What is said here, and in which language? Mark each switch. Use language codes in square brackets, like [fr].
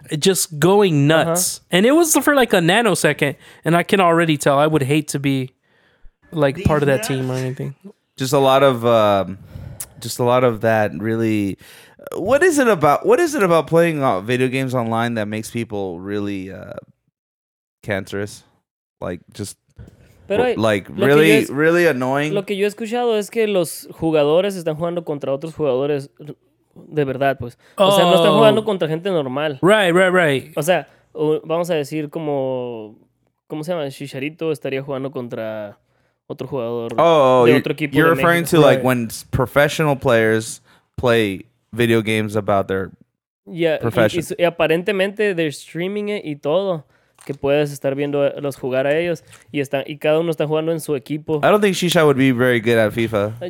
[en] just going nuts, uh-huh. And it was for like a nanosecond, and I can already tell I would hate to be like part of that team or anything. Just a lot of that really. What is it about playing video games online that makes people really cancerous? Like just. [es] Pero [en] like really, really annoying. [es] Lo que yo he escuchado es que los jugadores están jugando contra otros jugadores de verdad, pues. [en] Oh. [es] O sea, no están jugando contra gente normal. [en] Right. [es] O sea, vamos a decir como, ¿cómo se llama? Chicharito estaría jugando contra. [en] You're referring to like when professional players play video games about their profession. [es] Y aparentemente [en] they're streaming it [es] y todo, que puedes estar viendo los jugar a ellos y están y cada uno está jugando en su equipo. [en] I don't think Shisha would be very good at FIFA.